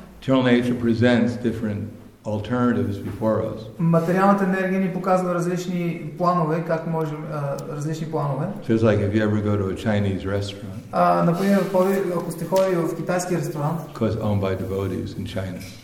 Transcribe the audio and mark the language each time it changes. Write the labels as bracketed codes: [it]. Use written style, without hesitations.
[en] Material nature presents different alternatives before us. [bg] Материалната енергия ни показва различни планове, как можем различни планове. [en] Just like if you ever go to a Chinese restaurant. [bg] Например, ако сте ходили в китайски ресторант. [en] Because owned by devotees in China.